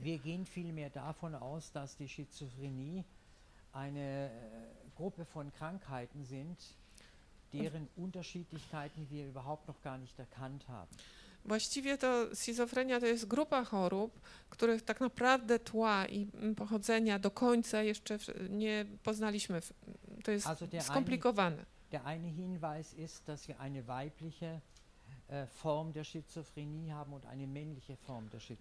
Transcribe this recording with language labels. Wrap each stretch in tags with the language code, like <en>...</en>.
<de>Wir gehen vielmehr davon aus, dass die Schizophrenie eine Gruppe von Krankheiten sind, deren Unterschiedlichkeiten wir überhaupt noch gar nicht erkannt haben.</de> <pl>Właściwie to schizofrenia to jest grupa chorób, których tak naprawdę tła i pochodzenia do końca jeszcze nie poznaliśmy. To jest skomplikowane.</pl> <de>Der eine Hinweis ist, dass wir eine weibliche Form der Schizophrenie haben und eine männliche Form der Schizophrenie.</de>